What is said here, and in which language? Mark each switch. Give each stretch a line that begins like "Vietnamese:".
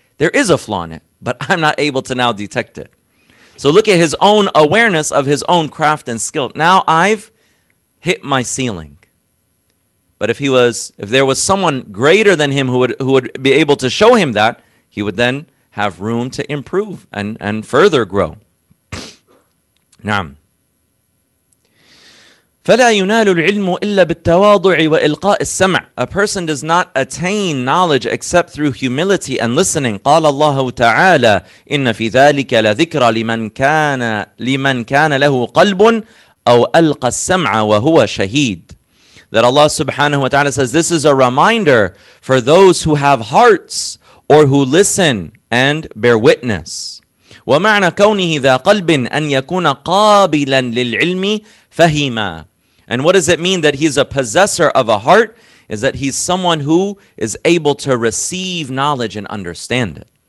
English: There is a flaw in it, but I'm not able to now detect it. So look at his own awareness of his own craft and skill. Now I've hit my ceiling. But if there was someone greater than him who would be able to show him that, he would then have room to improve and further grow.
Arabic: نعم. فلا ينال العلم إلا بالتواضع وإلقاء السمع.
English: A person does not attain knowledge except through humility and listening.
Arabic: قال الله تعالى إن في ذلك لذكرى لمن كان له قلب أو ألقى السمع وهو شهيد.
English: That Allah subhanahu wa ta'ala says, this is a reminder for those who have hearts or who listen and bear witness.
Arabic: وَمَعْنَى كَوْنِهِ ذَا قَلْبٍ أَنْ يَكُونَ قَابِلًا لِلْعِلْمِ فَهِيمًا.
English: And what does it mean that he's a possessor of a heart? Is that he's someone who is able to receive knowledge and understand it.